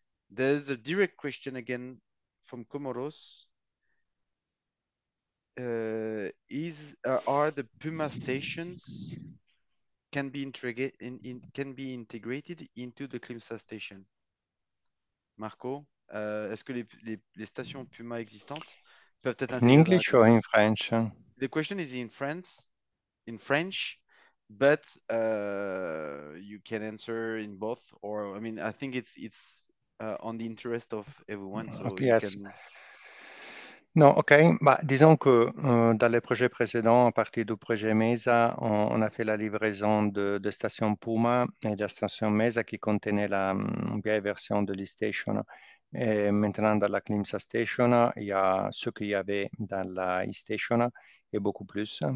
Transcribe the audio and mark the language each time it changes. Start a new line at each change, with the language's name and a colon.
English: There's a direct question again from Comoros. Are the Puma stations can be integrated into the CLIMSA station?
French: Marco, est-ce que les stations Puma existantes peuvent être intégrées?
English: In English or in French? The question is in French, but you can answer in both. Or I mean, I think it's on the interest of everyone. So okay, yes. Non, ok.
French: Bah, disons que dans les projets précédents, à partir du projet Mesa, on a fait la livraison de stations Puma et de la station Mesa qui contenait la vieille version de l'e-station. Et maintenant, dans la CLIMSA station, il y a ce qu'il y avait dans la e-station et beaucoup plus.